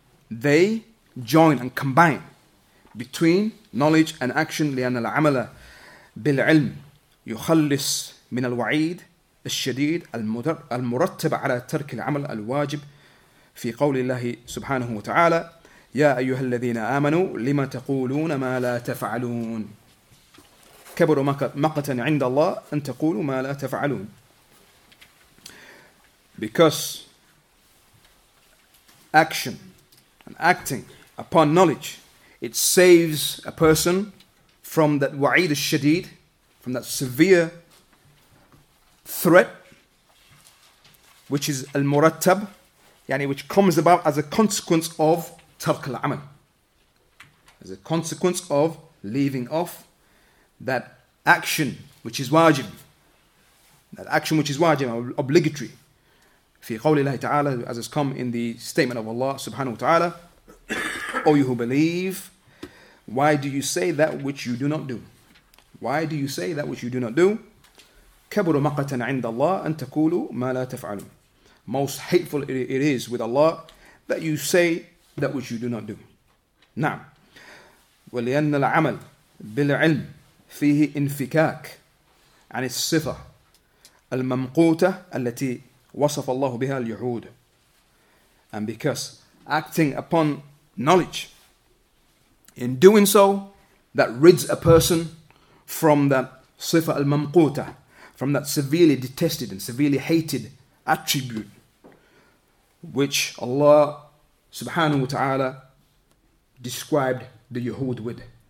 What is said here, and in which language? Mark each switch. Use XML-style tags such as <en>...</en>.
<en>They join and combine between knowledge and action,</en> <ar>لأن العمل بالعلم يخلص من الوعيد الشديد المرتب على ترك العمل الواجب في قول الله سبحانه وتعالى يا أيها الذين آمنوا لما تقولون ما لا تفعلون كبر مقتا عند الله أن تقولوا ما لا تفعلون.</ar> <en>Because action and acting upon knowledge, it saves a person from that wa'id al-shadid, from that severe threat, which is al-murattab, yani which comes about as a consequence of tark al-amal, as a consequence of leaving off that action which is wajib, That action which is wajib, obligatory.</en> <ar>في قول الله تعالى,</ar> <en>as has come in the statement of Allah subhanahu wa ta'ala, O you who believe, why do you say that which you do not do? Why do you say that which you do not do?</en> <ar>كبر مقتا عند الله أن تقولوا ما لا تفعلون.</ar> <en>Most hateful it is with Allah that you say that which you do not do.</en> <ar>نعم. ولأن العمل بالعلم فيه انفكاك عن الصفة الممقوتة التي وصف الله بها اليهود.</ar> <en>And because acting upon knowledge, in doing so, that rids a person from that sifa al-mamquta, from that severely detested and severely hated attribute which Allah subhanahu wa ta'ala described the Yahud with.</en>